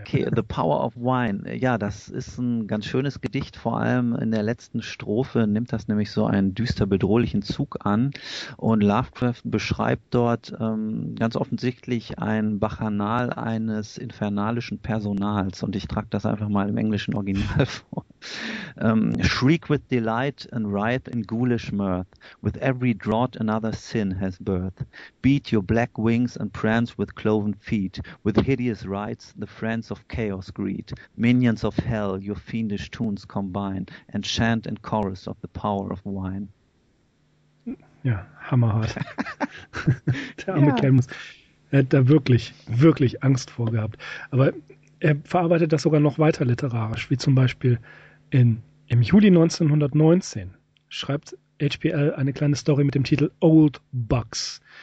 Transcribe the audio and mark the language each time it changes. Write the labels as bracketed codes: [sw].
[de] Okay, The Power of Wine, ja, das ist ein ganz schönes Gedicht, vor allem in der letzten Strophe nimmt das nämlich so einen düster bedrohlichen Zug an und Lovecraft beschreibt dort ganz offensichtlich ein Bacchanal eines infernalischen Personals und ich trage das einfach mal im englischen Original vor. [en] Shriek with delight and writhe in ghoulish mirth. With every draught another sin has birth. Beat your black wings and prance with cloven feet. With hideous rites the friends of chaos greet. Minions of hell, your fiendish tunes combine. And chant in chorus of the power of wine. [de] Ja, hammerhart. Der arme Kerl muss, er hat da wirklich, wirklich Angst vor gehabt. Aber er verarbeitet das sogar noch weiter literarisch, wie zum Beispiel im Juli 1919 schreibt HPL eine kleine Story mit dem Titel Old Bucks.